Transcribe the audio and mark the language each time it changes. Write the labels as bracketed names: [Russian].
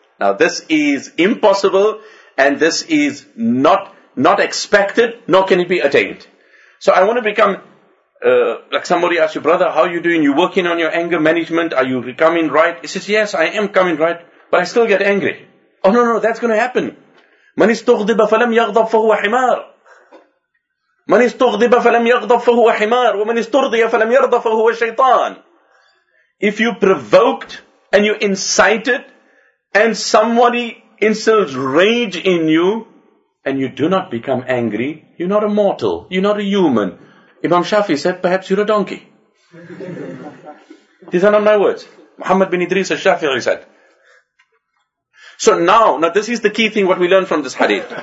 [English] Now this is impossible and this is not expected, nor can it be attained. So I want to become Like somebody asked you, brother, how are you doing? You working on your anger management? Are you coming right? He says, yes, I am coming right, but I still get angry. Oh, no, that's going to happen. [Arabic] من استغضب فلم يغضب فهو حمار. من استغضب فلم يغضب فهو حمار. ومن استرضي فلم يرضى فهو شيطان. [English] If you provoked and you incited and somebody instills rage in you and you do not become angry, you're not a mortal, you're not a human. Imam Shafi said, perhaps you're a donkey. These are not my words. Muhammad bin Idris al-Shafi'i said. So now this is the key thing what we learn from this hadith.